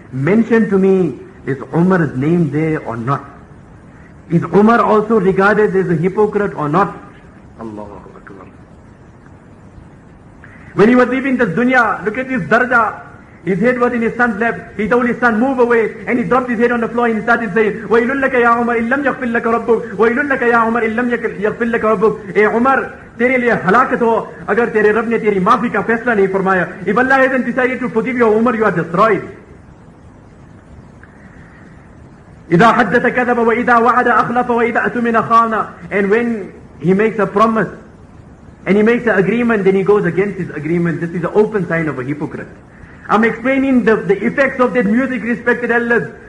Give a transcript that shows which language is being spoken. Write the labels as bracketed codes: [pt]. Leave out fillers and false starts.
[en] Mention to me, is Umar's name there or not? Is Umar also regarded as a hypocrite or not? Allahu Akbar. When he was leaving this dunya, look at his darja. His head was in his son's lap. He told his son, move away. And he dropped his head on the floor and he started saying, [ar] وَيْلٌ لَكَ يَا عُمَرْ إِلَّمْ يَغْفِرْ لَكَ رَبُّكَ وَيْلٌ لَكَ يَا عُمَرْ إِلَّمْ يَغْفِرْ لَكَ رَبُّكَ [ur] اے عمر, تیرے لئے ہلاکت ہو اگر تیرے رب نے تیری معافی کا فیصلہ نہیں فرمایا. [en] If Allah hasn't decided to forgive you, Umar, you are destroyed. [ar] إِذَا حَدَّتَ كَذَبَ وَإِذَا وَعَدَ أَخْلَفَ وَإِذَا أَتُمِنَ خَانَ. [en] And when he makes a promise and he makes an agreement, then he goes against his agreement. This is an open sign of a hypocrite. I'm explaining the effects of that music, respected Allah.